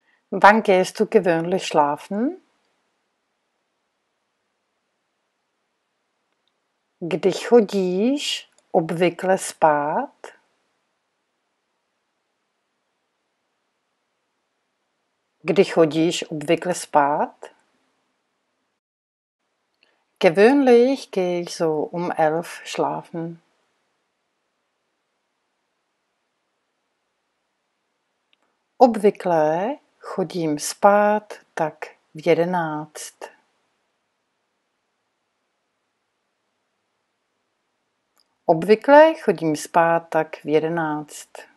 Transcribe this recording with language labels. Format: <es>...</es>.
<de>Wann gehst du gewöhnlich schlafen?</de> <cs>Kdy chodíš obvykle spát? Kdy chodíš obvykle spát?</cs> <de>Gewöhnlich gehe ich so um 11 schlafen.</de> <cs>Obvykle chodím spát tak v 11. Obvykle chodím spát tak v 11.</cs>